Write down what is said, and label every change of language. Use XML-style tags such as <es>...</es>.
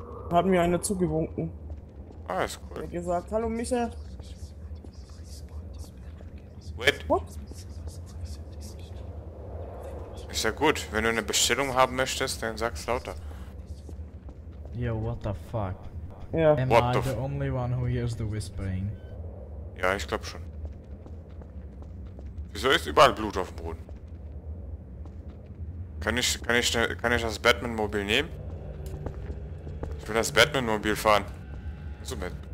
<de>Hat mir einer zugewunken. Ah, ist cool. Er hat gesagt: Hallo, Micha.</de> <en>Wait. What?</en> <de>Ist ja gut, wenn du eine Bestellung haben möchtest, dann sag's lauter.</de> <en>Yo, what the fuck? Yeah. Am what I the only one who hears the whispering?</en> <de>Ja, ich glaub schon. Wieso ist überall Blut auf dem Boden? Kann ich das Batman-Mobil nehmen? Ich will das Batman-Mobil fahren. So mit.</de>